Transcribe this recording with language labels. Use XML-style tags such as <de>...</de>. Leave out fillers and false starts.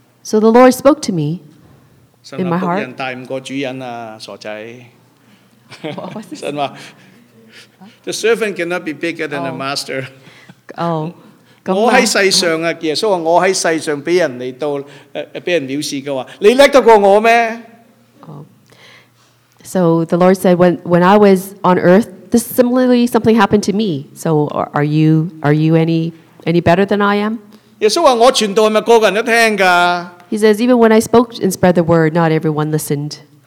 <en>So the Lord spoke to me in my heart.</en> <yue>神话仆人大唔过主人啊，傻仔。神话</yue> <en>The servant cannot be bigger than the master.</en> <yue>我喺世上啊，耶稣话我喺世上俾人藐视嘅话，你叻得过我咩？</yue> <en>So the Lord said, when I was on earth, this similarly something happened to me. So are you any better than I am?</en> <yue>耶稣话我传道系咪个个人都听噶？</yue> <en>He says, even when I spoke and spread the word, not everyone listened.</en>